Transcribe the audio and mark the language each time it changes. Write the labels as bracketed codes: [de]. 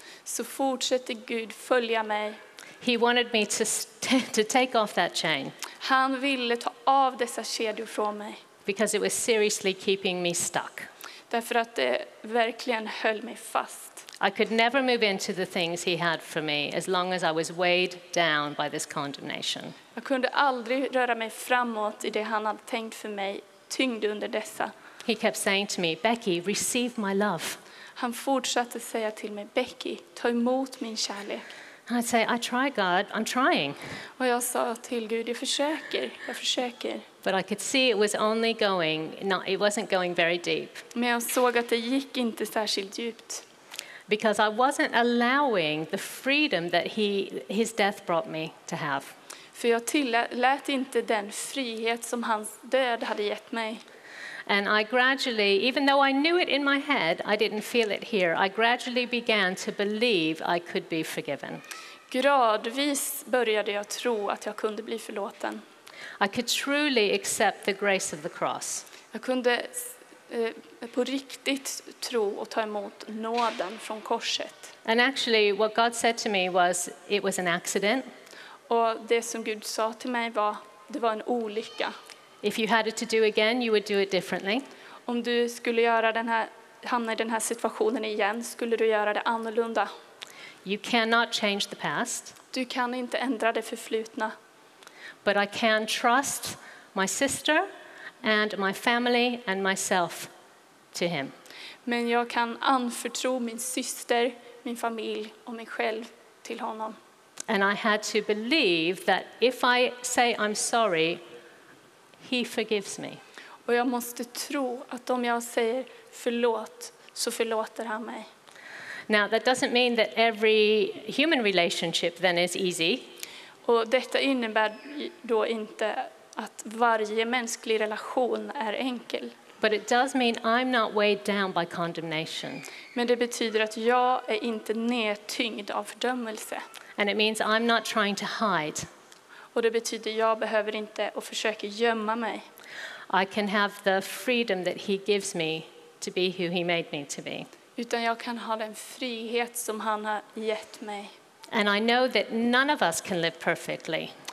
[sv] Så fortsatte Gud följa mig. [en] He wanted me to take off that chain. [sv] Han ville ta av dessa kedjor från mig. [en] Because it was seriously keeping me stuck. [sv] Därför att det verkligen höll mig fast. [en] I could never move into the things he had for me as long as I was weighed down by this condemnation. [sv] Jag kunde aldrig röra mig framåt i det han hade tänkt för mig, tyngd under dessa. [en] He kept saying to me, Becky, receive my love. [sv] Han fortsatte säga till mig, Becky, ta emot min kärlek. [en] And I'd say, I try, God, I'm trying. [sv] Och jag sa till Gud, jag försöker. [en] But I could see it was only going, not, it wasn't going very deep. [sv] Men jag såg att det gick inte särskilt djupt. [en] Because I wasn't allowing the freedom that his death brought me to have. [sv] För jag tillät inte den frihet som hans död hade gett mig. [en] And I gradually, even though I knew it in my head, I didn't feel it here. I gradually began to believe I could be forgiven. [sv] Gradvis började jag tro att jag kunde bli förlåten. [en] I could truly accept the grace of the cross. [sv] Jag kunde på riktigt tro och ta emot nåden från korset. [en] And actually, what God said to me was, it was an accident. [sv] Och det som Gud sa till mig var, det var en olycka. [en] If you had it to do again, you would do it differently. [sv] Om du skulle göra den här, hamna i den här situationen igen, skulle du göra det annorlunda. [en] You cannot change the past. [sv] Du kan inte ändra det förflutna. [en] But I can trust my sister and my family and myself to him. [sv] Men jag kan anförtro min syster, min familj och mig själv till honom. [en] And I had to believe that if I say I'm sorry, he forgives me. [sv] Och jag måste tro att om jag säger förlåt så förlåter han mig. [en] Now that doesn't mean that every human relationship then is easy. [sv] Och detta innebär då inte att varje mänsklig relation är enkel. [en] But it does mean I'm not weighed down by condemnation. [sv] Men det betyder att jag är inte nedtyngd av fördömelse. [en] And it means I'm not trying to hide. [sv] Och det betyder jag behöver inte och försöker gömma mig. [en] I can have the freedom that he gives me to be who he made me to be. [sv] Utan jag kan ha den frihet som han har gett mig. [en] And I know that none of us can live perfectly.